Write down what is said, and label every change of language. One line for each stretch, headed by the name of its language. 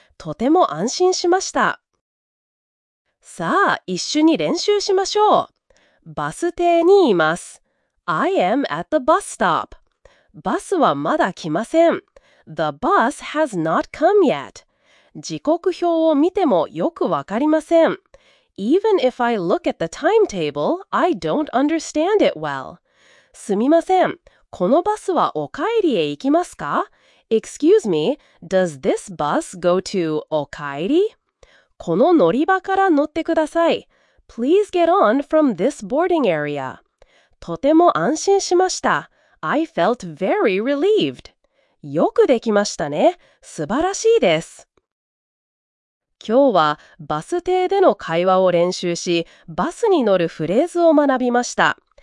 Japanese: とても安心しました。さあ、一緒に練習しましょう。バス停にいます。
English: I am at the bus stop.
Japanese: バスはまだ来ません。
English: The bus has not come yet.
Japanese: 時刻表を見てもよくわかりません。
English: Even if I look at the timetable, I don't understand it well.
Japanese: すみません。このバスはお帰りへ行きますか？
English: Excuse me, does this bus go to お帰り？
Japanese: この乗り場から乗ってください。
English: Please get on from this boarding area.
Japanese: とても安心しました。
English: I felt very relieved.
Japanese: よくできましたね。素晴らしいです。今日はバス停での会話を練習し、バスに乗るフレーズを学びました。